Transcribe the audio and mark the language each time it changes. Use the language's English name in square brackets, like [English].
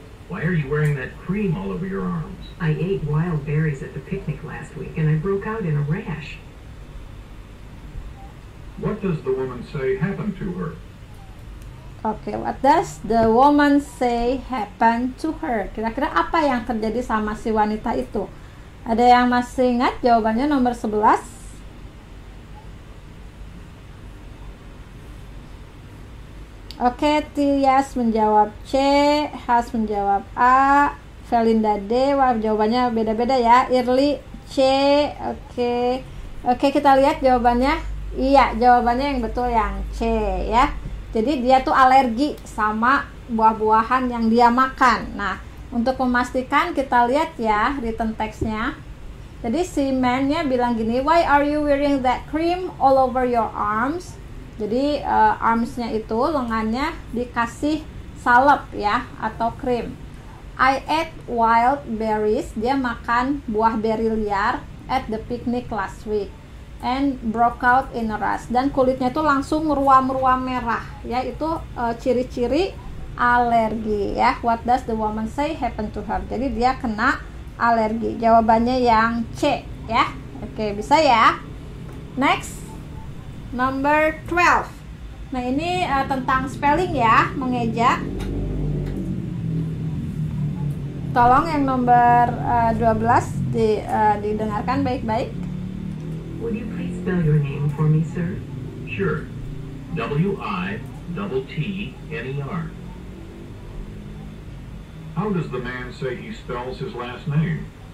[English] Why are you wearing that cream all over your arms? I ate wild berries at the picnic last week and I broke out in a rash. What does the woman say happened to her? Okay, what does the woman say happened to her? [Indonesian] Kira-kira apa yang terjadi sama si wanita itu? Ada yang masih ingat jawabannya nomor 11? Oke, okay, Tias menjawab C, Has menjawab A, Felinda D. Wah, jawabannya beda-beda ya. Irli C. Oke. Okay. Oke, okay, kita lihat jawabannya. Iya, jawabannya yang betul yang C ya. Jadi dia tuh alergi sama buah-buahan yang dia makan. Nah, untuk memastikan kita lihat ya written text-nya. Jadi si man-nya bilang gini, [English] "Why are you wearing that cream all over your arms?" [Indonesian] Jadi arms-nya itu, lengannya dikasih salep ya, atau krim. [English] I ate wild berries, [Indonesian] dia makan buah beri liar [English] at the picnic last week and broke out in a rash. [Indonesian] Dan kulitnya itu langsung ruam-ruam merah, ya itu ciri-ciri alergi ya. [English] What does the woman say happened to her? [Indonesian] Jadi dia kena alergi. Jawabannya yang C ya. Oke, okay, bisa ya. Next. Number 12. Nah, ini tentang spelling ya, mengeja. Tolong yang nomor 12 didengarkan baik-baik. [English] Would you please spell your name for me, sir? Sure. WITTNER. How does the man say he spells his last name?